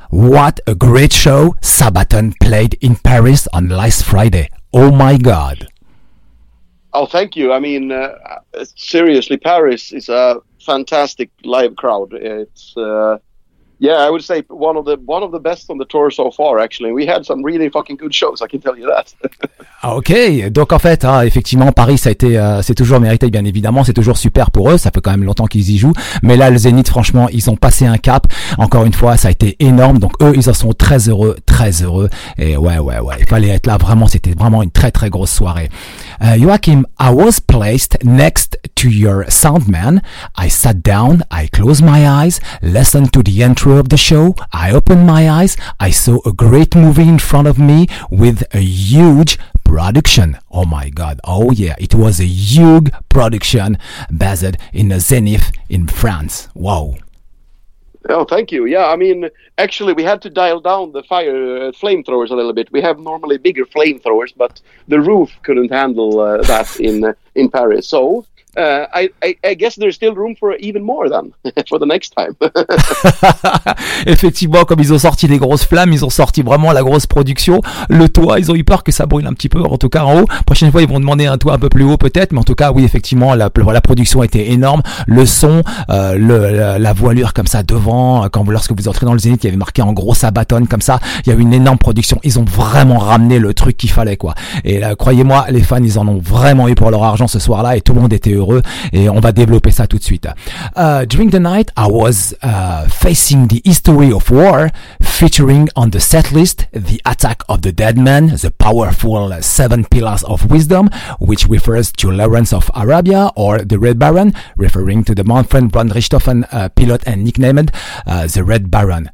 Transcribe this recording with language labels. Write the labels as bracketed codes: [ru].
[en] What a great show Sabaton played in Paris on last Friday. Oh, my God. Oh, thank you. I mean, seriously, Paris is a fantastic live crowd. It's, I would say one of the best on the tour so far, actually. We had some really fucking good shows, I can tell you that. [fr] Ok, donc en fait, effectivement, Paris, ça a été, c'est toujours mérité, bien évidemment, c'est toujours super pour eux, ça fait quand même longtemps qu'ils y jouent, mais là, le Zénith, franchement, ils ont passé un cap, encore une fois, ça a été énorme, donc eux, ils en sont très heureux, et ouais, il fallait être là, vraiment, c'était vraiment une très très grosse soirée. [en] Joachim, I was placed next to your sound man, I sat down, I closed my eyes, listened to the intro of the show, I opened my eyes, I saw a great movie in front of me with a huge production. Oh my God. Oh yeah. It was a huge production based in the Zenith in France. Wow. Oh, thank you. Yeah, I mean, actually, we had to dial down the fire flamethrowers a little bit. We have normally bigger flamethrowers, but the roof couldn't handle that in Paris. So I guess there's still room for even more than for the next time. [fr] Effectivement, comme ils ont sorti les grosses flammes, ils ont sorti vraiment la grosse production. Le toit, ils ont eu peur que ça brûle un petit peu, en tout cas en haut. Prochaine fois, ils vont demander un toit un peu plus haut peut-être. Mais en tout cas, oui, effectivement, la production était énorme. Le son, la voilure comme ça devant, lorsque vous entrez dans le Zénith, il y avait marqué en gros Sabaton comme ça. Il y a eu une énorme production. Ils ont vraiment ramené le truc qu'il fallait, quoi. Et croyez-moi, les fans, ils en ont vraiment eu pour leur argent ce soir-là. Et tout le monde était heureux et on va développer ça tout de suite. [en] During the night, I was facing the history of war, featuring on the set list the attack of the dead man, the powerful seven pillars of wisdom, which refers to Lawrence of Arabia or the Red Baron, referring to the Manfred von Richthofen pilot and nicknamed the Red Baron.